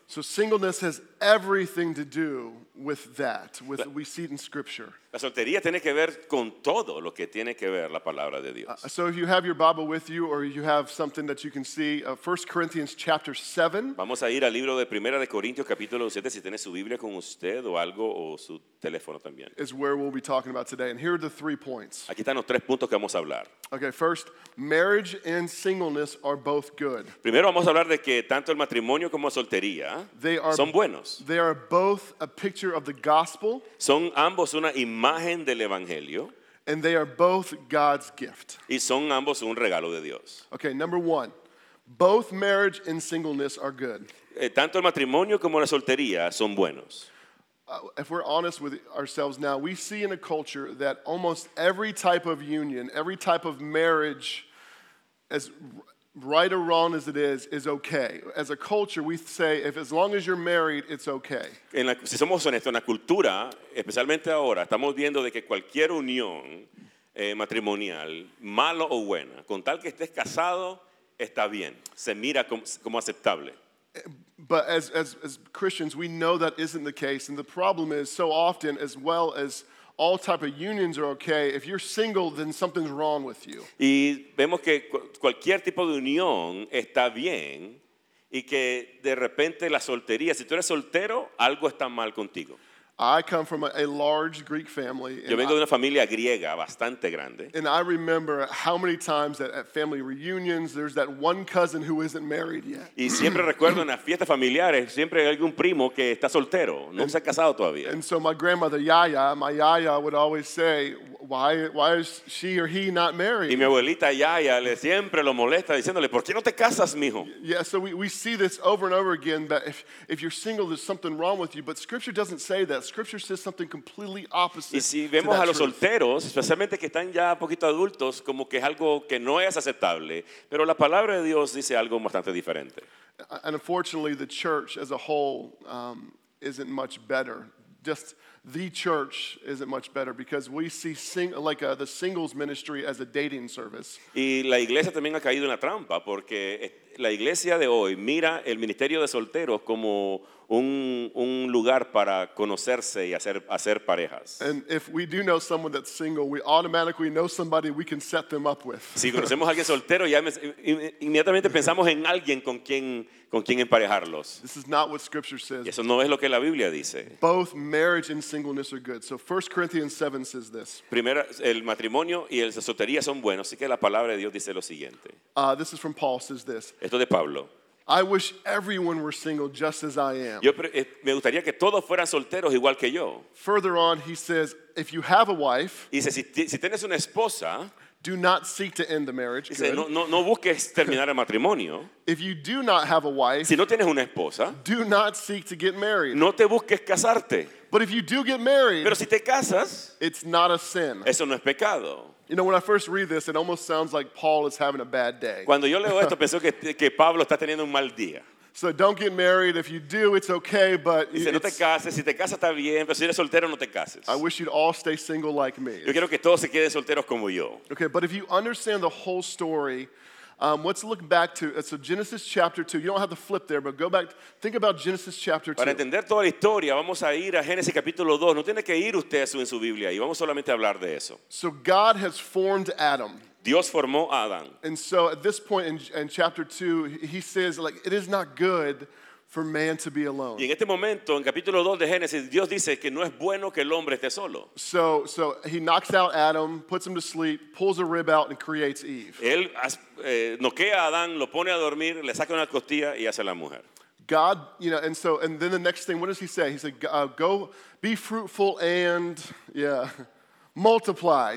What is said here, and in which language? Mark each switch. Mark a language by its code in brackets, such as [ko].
[en] So singleness has everything to do with that, with what we see in Scripture. [es] La soltería tiene que ver con todo lo que tiene que ver la palabra de Dios. [en] So if you have your Bible with you, or you have something that you can see, 1 Corinthians chapter 7. [es] Vamos a ir al libro de Primera de Corintios capítulo 7, si tiene su Biblia con usted o algo, o su teléfono también. [en] Is where we'll be talking about today. And here are the three points. [es] Aquí están los tres puntos que vamos a hablar. [en] Okay, first, marriage and singleness are both good. [es] Primero vamos a hablar de que tanto el matrimonio como la soltería son buenos. [en] They are both a picture of the gospel. [es] Son ambos una imagen del evangelio. [en] And they are both God's gift. [es] Y son ambos un regalo de Dios. [en] Okay, number one, both marriage and singleness are good. [es] Tanto el matrimonio como la soltería son buenos. [en] If we're honest with ourselves now, we see in a culture that almost every type of union, every type of marriage, as right or wrong as it is okay. As a culture, we say, if as long as you're married, it's okay. [es] Si somos honestos, en la cultura, especialmente ahora, estamos viendo de que cualquier unión matrimonial, malo o buena, con tal que estés casado, está bien. Se mira como aceptable. [en] But as Christians, we know that isn't the case. And the problem is, so often, as well as all type of unions are okay, if you're single, then something's wrong with you. [es] Y vemos que cualquier tipo de unión está bien, y que de repente la soltería, si tú eres soltero, algo está mal contigo. [en] I come from a large Greek family. [es] Yo vengo de una familia griega bastante grande. [en] And I remember how many times that at family reunions there's that one cousin who isn't married yet. [es] Y siempre recuerdo en las fiestas familiares siempre hay algún primo que está soltero, no se ha casado todavía. [en] And so my grandmother Yaya would always say, why is she or he not married? [es] Y mi abuelita Yaya le siempre lo molesta diciéndole, ¿por qué no te casas, mijo? [en] Yeah, so we see this over and over again that if you're single, there's something wrong with you. But Scripture doesn't say that. Scripture says something completely opposite. [es] Y si vemos a los solteros, especialmente que están ya poquito adultos, como que es algo que no es aceptable. Pero la palabra de Dios dice algo bastante diferente. [en] And unfortunately, the church as a whole isn't much better. Just the church isn't much better because we see the singles ministry as a dating service. [es] Y la iglesia también ha caído en la trampa porque la iglesia de hoy mira el ministerio de solteros como un lugar para conocerse y hacer parejas. [en] And if we do know someone that's single, we automatically know somebody we can set them up with. [es] Si conocemos a alguien soltero, ya inmediatamente pensamos en alguien con quien emparejarlos. [en] This is not what Scripture says. [es] Eso no es lo que la Biblia dice. [en] Both marriage and singleness are good. So 1 Corinthians 7 says this. [es] Primero, el matrimonio y la soltería son buenos. Así que la palabra de Dios dice lo siguiente. [en] This is from Paul, says this. [es] Esto de Pablo. [en] I wish everyone were single just as I am. [es] Me gustaría que todos fueran solteros igual que yo. [en] Further on, he says, if you have a wife, [es] dice, si tienes una esposa, [en] do not seek to end the marriage. [es] Dice, no busques terminar el matrimonio. [en] If you do not have a wife, [es] si no tienes una esposa, [en] do not seek to get married. [es] No te busques casarte. [en] But if you do get married, [es] pero si te casas, [en] it's not a sin. [es] Eso no es pecado. [en] You know, when I first read this, it almost sounds like Paul is having a bad day. [es] Cuando yo leo esto, pensé que Pablo está teniendo un mal día. [en] So don't get married. If you do, it's okay, but [es] dice, no te cases. Si te casas, está bien, pero si eres soltero, no te cases. [en] I wish you'd all stay single like me. [es] Yo quiero que todos se queden solteros como yo. [en] Okay, but if you understand the whole story, let's look back to so Genesis chapter 2. You don't have to flip there, but go back. Think about Genesis chapter 2. [es] Para entender toda la historia, vamos a ir a Génesis capítulo 2. No tiene que ir usted en su Biblia y vamos solamente a hablar de eso. [en] So God has formed Adam. [es] Dios formó a Adán. [en] And so at this point in chapter 2, he says, like, it is not good for man to be alone. [es] Y en este momento, en capítulo 2 de Génesis, Dios dice que no es bueno que el hombre esté solo. [en] So he knocks out Adam, puts him to sleep, pulls a rib out, and creates Eve. [es] Él noquea a Adán, lo pone a dormir, le saca una costilla y hace a la mujer. [en] God, you know, and then the next thing, what does he say? He said, go, be fruitful and, yeah, multiply.